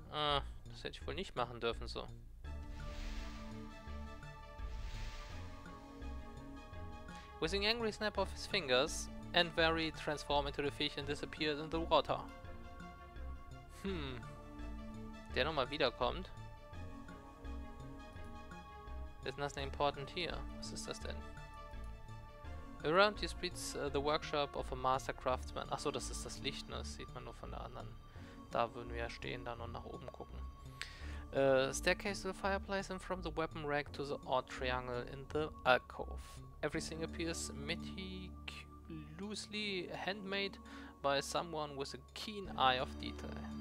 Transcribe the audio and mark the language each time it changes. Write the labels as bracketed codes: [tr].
[de] Das hätte ich wohl nicht machen dürfen, so. [en] With an angry snap of his fingers, Envery transformed into the fish and disappeared in the water. [de] Der nochmal wiederkommt. [en] Isn't nothing important here? [de] Was ist das denn? [en] Around you spreads the workshop of a master craftsman. [de] Achso, das ist das Licht, ne? Das sieht man nur von der anderen. Da würden wir ja stehen, dann und nach oben gucken. [en] Staircase to the fireplace and from the weapon rack to the odd triangle in the alcove. Everything appears meticulously handmade by someone with a keen eye of detail.